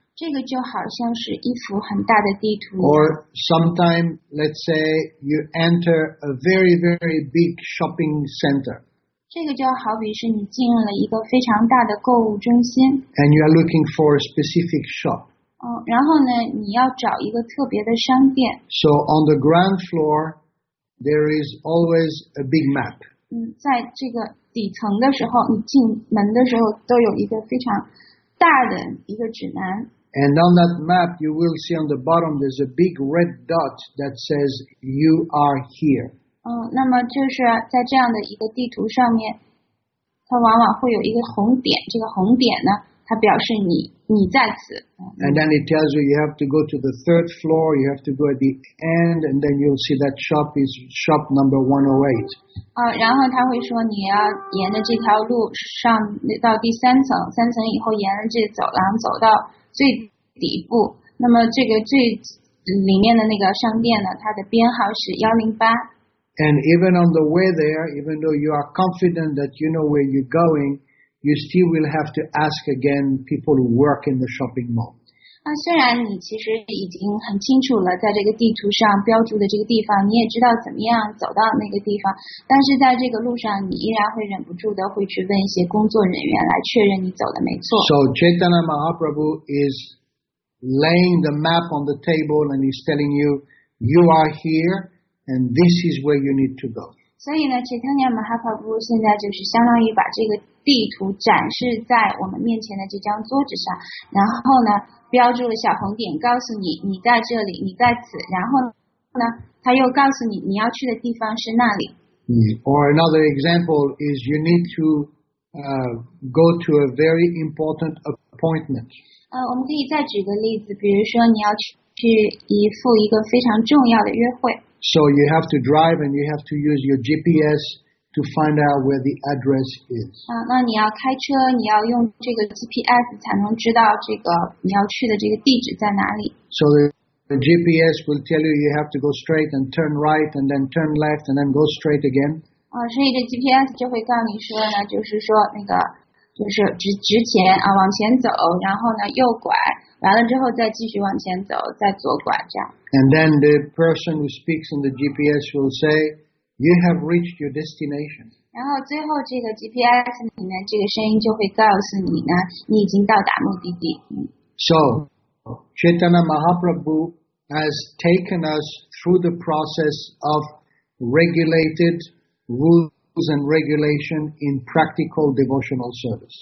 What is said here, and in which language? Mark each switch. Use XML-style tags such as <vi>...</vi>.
<zh>这个就好像是一幅很大的地图。</zh> <en>Or sometime, let's say you enter a very, very big shopping center.</en> <zh>这个就好比是你进入了一个非常大的购物中心。</zh> <en>And you are looking for a specific shop.</en> <zh>然后呢，你要找一个特别的商店。</zh> <en>So on the ground floor, there is always a big map.</en> <zh>在这个底层的时候，你进门的时候都有一个非常大的一个指南。</zh> <en>And on that map, you will see on the bottom, there's a big red dot that says, you are here.</en> <zh>那么就是在这样的一个地图上面，它往往会有一个红点，这个红点呢，它表示你在此。</zh> <en>And then it tells you you have to go to the third floor, you have to go at the end, and then you'll see that shop is shop number 108.</en> <zh>然后它会说你要沿着这条路上到第三层，三层以后沿着这走廊走到最底部，那么这个最里面的那个商店呢，它的编号是108。</zh> <en>And even on the way there, even though you are confident that you know where you're going, you still will have to ask again people who work in the shopping mall.</en> <zh>虽然你其实已经很清楚了在这个地图上标注的这个地方，你也知道怎么样走到那个地方，但是在这个路上你依然会忍不住的会去问一些工作人员来确认你走的没错。</zh> <en>So Chaitanya Mahaprabhu is laying the map on the table and he's telling you, you are here. And this is where you need to go.</en> <zh>所以呢 Chaitanya Mahaprabhu 现在就是相当于把这个地图展示在我们面前的这张桌子上，然后呢标注了小红点，告诉你你在这里，你在此，然后呢他又告诉你你要去的地方是那里。</zh> <en>Or another example is you need to go to a very important appointment.</en> <zh>我们可以再举个例子，比如说你要去一赴一个非常重要的约会。</zh> <en>So you have to drive and you have to use your GPS to find out where the address is.</en> <zh>那你要开车，你要用这个 GPS 才能知道这个你要去的这个地址在哪里。</zh> <en>So the GPS will tell you you have to go straight and turn right and then turn left and then go straight again.</en> <zh>所以这 GPS 就会告诉你说呢，就是说那个就是直前啊，往前走，然后呢右拐。完了之后再继续往前走，再左拐这样。</zh> <en>And then the person who speaks in the GPS will say, "You have reached your destination."</en> <zh>然后最后这个 GPS 里面这个声音就会告诉你呢，你已经到达目的地。</zh> <en>So, Chaitanya Mahaprabhu has taken us through the process of regulated rules. And regulation in practical devotional service.</en>